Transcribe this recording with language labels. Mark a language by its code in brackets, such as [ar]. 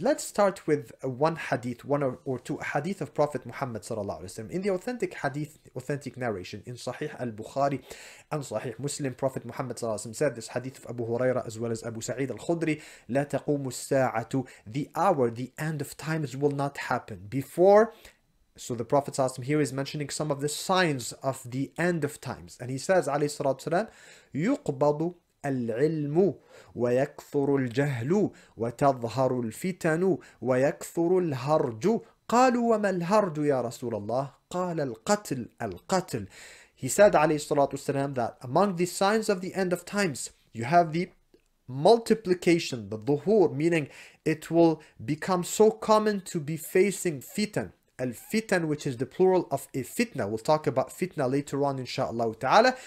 [en] Let's start with one hadith, one or two hadith of Prophet Muhammad sallallahu alaihi wasallam. In the authentic hadith, authentic narration in Sahih al-Bukhari and Sahih Muslim, Prophet Muhammad sallallahu alaihi wasallam said this hadith of Abu Huraira as well as Abu Sa'id al-Khudri, [ar] لا تقوم الساعة, [en] the hour, the end of times will not happen before. So the Prophet sallallahu alaihi wasallam here is mentioning some of the signs of the end of times, and he says, [ar] عليه الصلاة والسلام, يقبض العلم ويكثر الجهل وتظهر الفتن ويكثر الهرج. قالوا وما الهرج يا رسول الله؟ قال القتل القتل. [en] He said, [ar] عليه الصلاة والسلام, [en] that among the signs of the end of times, you have the multiplication, the ظهور, meaning it will become so common to be facing fitan. Al-fitan, which is the plural of a fitna. We'll talk about fitna later on, inshallah ta'ala.